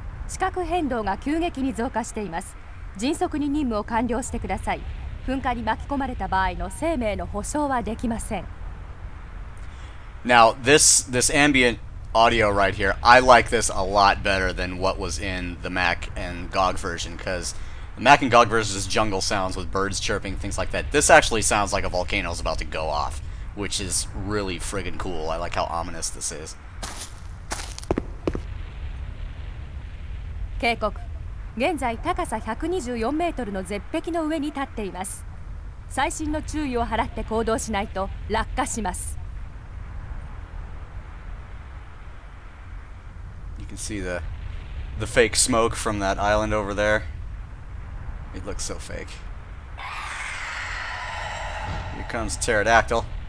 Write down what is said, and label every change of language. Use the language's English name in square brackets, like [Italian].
[Japanese] 地殻変動が急激に増加しています。迅速に任務を完了してください。噴火に巻き込まれた場合の生命の保証はできません。 [English] Now, this ambient audio right here, I like this a lot better than what was in the Mac and GOG version, because the Mac and GOG version is jungle sounds with birds chirping, things like that. This actually sounds like a volcano is about to go off, which is really friggin' cool. I like how ominous this is. [Japanese] 警告、現在高さ124メートルの絶壁の上に立っています。細心の注意を払って行動しないと落下します。 [English] You can see the fake smoke from that island over there. It looks so fake. Here comes pterodactyl.